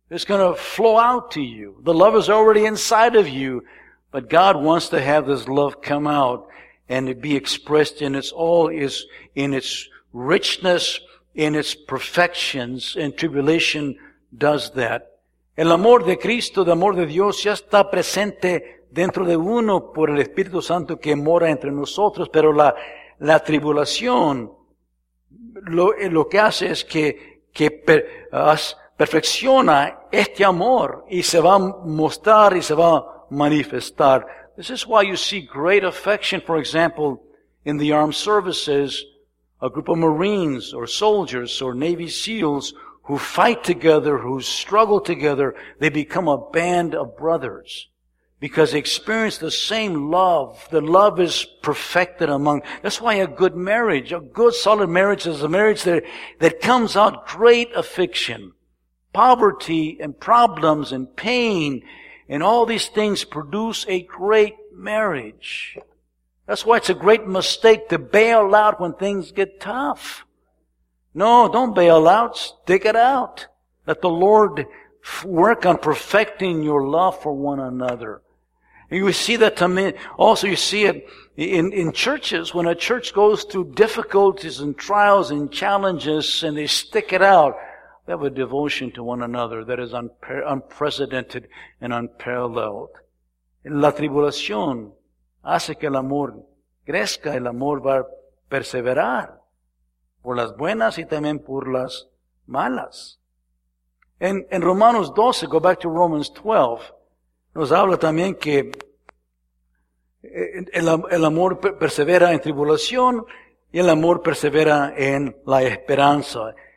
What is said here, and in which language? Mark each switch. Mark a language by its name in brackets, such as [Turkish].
[English] It's going to flow out to you. The love is already inside of you, but God wants to have this love come out and it be expressed in its richness, in its perfections, and tribulation does that. [Spanish] El amor de Cristo, el amor de Dios, ya está presente dentro de uno por el Espíritu Santo que mora entre nosotros, pero la tribulación lo que hace es que perfecciona este amor y se va a mostrar y se va a manifestar. [English] This is why you see great affection, for example, in the armed services, a group of Marines or soldiers or Navy SEALs who fight together, who struggle together, they become a band of brothers because they experience the same love. The love is perfected among. That's why a good marriage, a good solid marriage is a marriage that comes out great affection. Poverty and problems and pain and all these things produce a great marriage. That's why it's a great mistake to bail out when things get tough. No, don't bail out. Stick it out. Let the Lord work on perfecting your love for one another. And you see that to me. Also, you see it in churches. When a church goes through difficulties and trials and challenges and they stick it out, They have a devotion to one another that is unprecedented and unparalleled. [Spanish] La tribulación hace que el amor crezca, el amor va a perseverar por las buenas y también por las malas. En Romanos 12, [English] go back to Romans 12, [Spanish] nos habla también que el amor persevera en tribulación y el amor persevera en la esperanza.